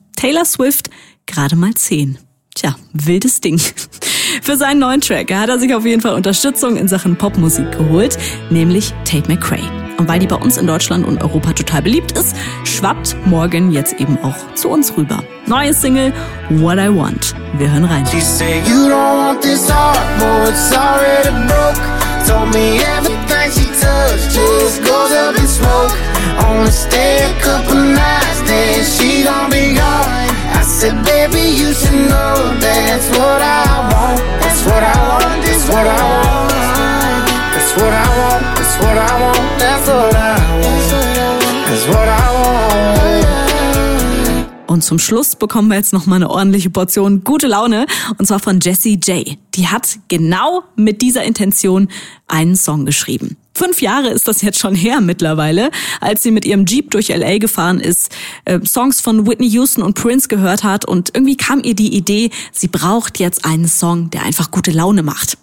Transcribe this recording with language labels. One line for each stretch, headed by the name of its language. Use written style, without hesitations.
German: Taylor Swift gerade mal 10. Tja, wildes Ding. Für seinen neuen Track hat er sich auf jeden Fall Unterstützung in Sachen Popmusik geholt, nämlich Tate McRae. Und weil die bei uns in Deutschland und Europa total beliebt ist, schwappt Morgan jetzt eben auch zu uns rüber. Neue Single, What I Want. Wir hören rein.
English: She said, you don't want this heart more, it's already broke. Told me everything she touched just goes up in smoke. Only stay a couple nights, then she gonna be gone. I said, baby, you should know that's what I want. That's what I want, that's what I want. That's what I want, that's what I want.
German: Und zum Schluss bekommen wir jetzt noch mal eine ordentliche Portion gute Laune, und zwar von Jessie J. Die hat genau mit dieser Intention einen Song geschrieben. 5 Jahre ist das jetzt schon her mittlerweile, als sie mit ihrem Jeep durch L.A. gefahren ist, Songs von Whitney Houston und Prince gehört hat und irgendwie kam ihr die Idee, sie braucht jetzt einen Song, der einfach gute Laune macht.